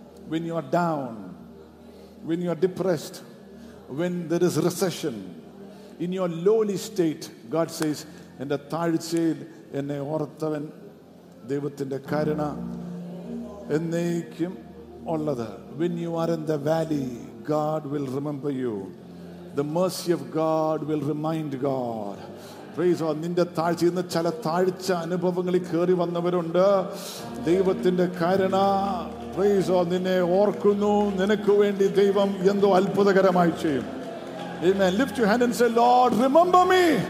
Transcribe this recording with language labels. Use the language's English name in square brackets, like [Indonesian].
[English] When you are down, when you are depressed, when there is recession, in your lowly state, God says, [Malayalam] എന്റെ താഴ്ചയിൽ എന്നെ ഓർത്തവൻ, ദൈവത്തിന്റെ കരുണ എന്നേക്കും ഉള്ളത്. [English] When you are in the valley, God will remember you. The mercy of God will remind God. Praise God. [Malayalam] നിന്റെ താഴ്ച ഇന്ന് ചില താഴ്ച അനുഭവങ്ങളിൽ കയറി വന്നവരുണ്ട്. ദൈവത്തിന്റെ കരുണ, [English] praise God, [Malayalam] നിന്നെ ഓർക്കുന്നു. നിനക്ക് വേണ്ടി ദൈവം എന്തോ അത്ഭുതകരമായി ചെയ്യും. [English] Amen. Lift your hand and say, Lord, remember me.